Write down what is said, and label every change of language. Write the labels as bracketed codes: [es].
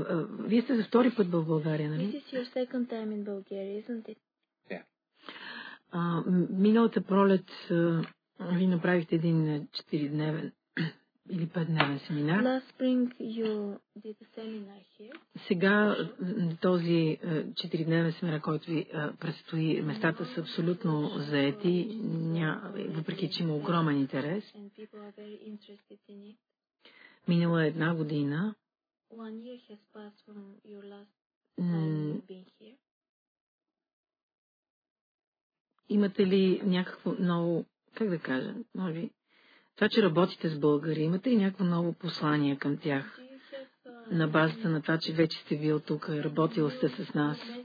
[bg] Вие сте за втори път в България, нали? [en] This is your second time in Bulgaria, isn't it? Yeah. [bg] Миналата пролет ви направихте един 4-дневен или 5-дневен семинар. [en] Last spring you did a seminar here. [bg] Сега този 4-дневен семинар, който ви предстои, местата са абсолютно заети, въпреки че има огромен интерес. [en] And people are very interested in it. [bg] Минала е една година. [en] One year has passed from your last time you've been here. [bg] Имате ли някакво ново, как да кажа, може би, това, че работите с българи, имате ли някакво ново послание към тях? На базата на това, че вече сте бил тук, работил сте с нас.